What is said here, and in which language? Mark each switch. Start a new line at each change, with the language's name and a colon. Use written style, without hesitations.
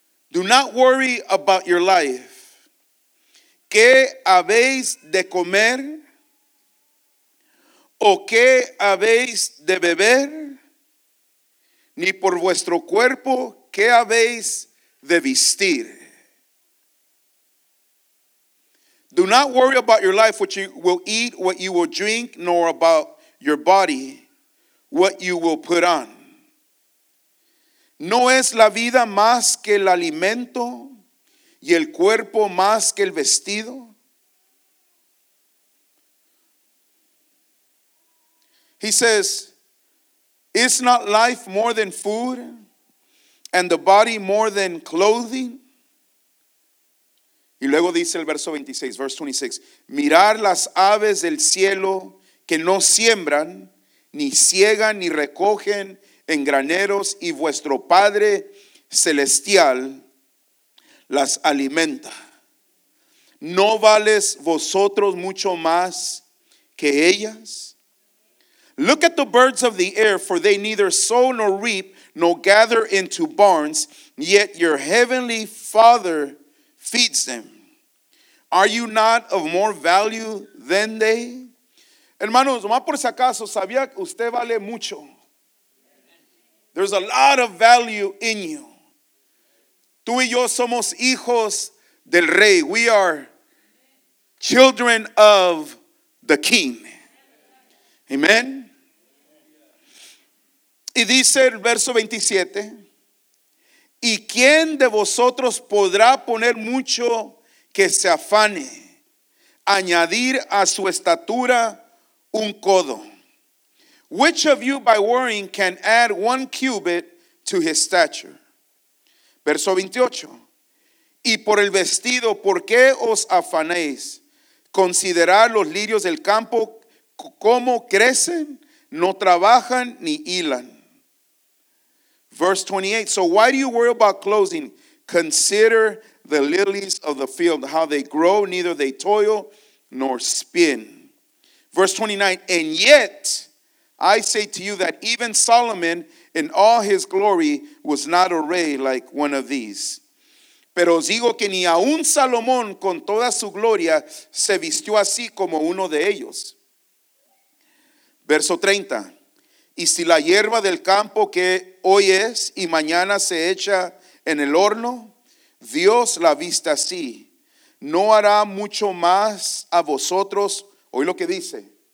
English: Do not worry about your life.
Spanish: ¿Qué habéis de comer? ¿O qué habéis de beber? Ni por vuestro cuerpo, ¿qué habéis de vestir?
English: Do not worry about your life, what you will eat, what you will drink, nor about your body, what you will put on.
Spanish: ¿No es la vida más que el alimento y el cuerpo más que el vestido?
English: He says, is not life more than food and the body more than clothing?
Spanish: Y luego dice el verso 26,
English: verse 26,
Spanish: mirar las aves del cielo que no siembran, ni siegan, ni recogen en graneros, y vuestro Padre celestial las alimenta. ¿No vales vosotros mucho más que ellas?
English: Look at the birds of the air, for they neither sow nor reap nor gather into barns, yet your heavenly Father feeds them. Are you not of more value than they?
Spanish: Hermanos, más por si acaso, sabía que usted vale mucho.
English: There's a lot of value in you.
Spanish: Tú y yo somos hijos del rey.
English: We are children of the king. Amen.
Spanish: Y dice el verso 27. ¿Y quién de vosotros podrá poner mucho que se afane, añadir a su estatura un codo?
English: Which of you by worrying can add one cubit to his stature?
Spanish: Verso 28. Y por el vestido, ¿por qué os afanéis? Considerad los lirios del campo, cómo crecen, no trabajan ni hilan.
English: Verse 28. So why do you worry about clothing? Consider the lilies of the field, how they grow, neither they toil nor spin. Verse 29. And yet I say to you that even Solomon in all his glory was not arrayed like one of these.
Spanish: Pero os digo que ni aun Salomón con toda su gloria se vistió así como uno de ellos. Verso 30. Y si la hierba del campo que hoy es y mañana se echa en el horno, Dios la viste así, ¿no hará mucho más a vosotros? Oí lo que dice.